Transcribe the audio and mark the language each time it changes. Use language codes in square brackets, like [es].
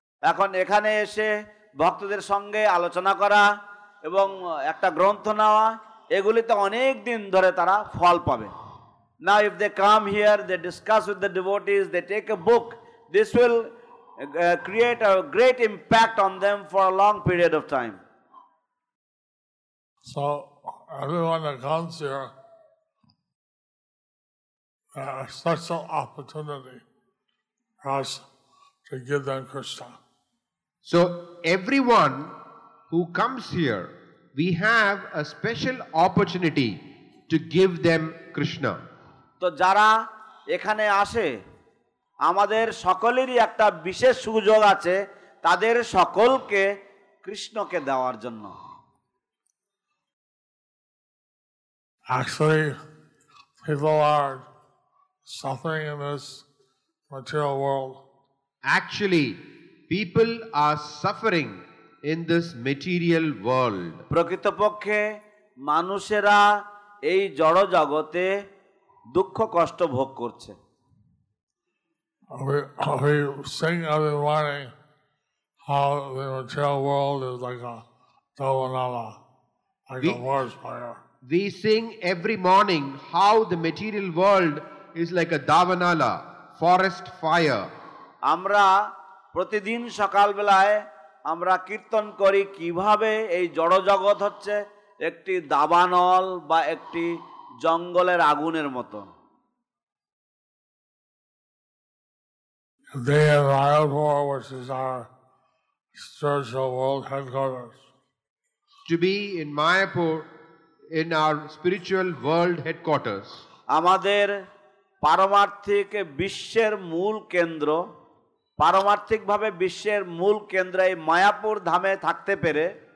[bn] এখন এখানে এসে ভক্তদের সঙ্গে আলোচনা করা এবং একটা গ্রন্থ নেওয়া, এগুলিতে অনেক দিন ধরে তারা ফল পাবে। [en] Now if they come here, they discuss with the devotees, they take a book, this will create a great impact on them for a long period of time. So everyone that comes here, a special opportunity for us to give them Krishna. So everyone who comes here, we have a special opportunity to give them Krishna. [bn] তো যারা এখানে আসে আমাদের সকলেরই একটা বিশেষ সুযোগ আছে তাদের সকলকে কৃষ্ণকে দেওয়ার জন্য। [en] Actually, people are suffering in this material world. Actually, people are suffering in this material world. [bn] প্রকৃতপক্ষে মানুষেরা এই জড় জগতে দুঃখ কষ্ট ভোগ করছে। [en] We sing every morning how the material world is like a dhavanala, like a forest fire. We sing every morning how the material world is like a dhavanala, forest fire. [bn] আমরা প্রতিদিন সকালবেলায় আমরা কীর্তন করি কিভাবে এই জড় জগৎ হচ্ছে একটি দাবানল বা একটি জঙ্গলের আগুনের মতো। [en] They are Mayapur, which is our spiritual world headquarters. To be in Mayapur, in our spiritual world headquarters. [bn] আমাদের পারমার্থিক বিশ্বের মূল কেন্দ্র, পারমার্থিকভাবে বিশ্বের মূল কেন্দ্রে এই মায়াপুর ধামে থাকতে পেরে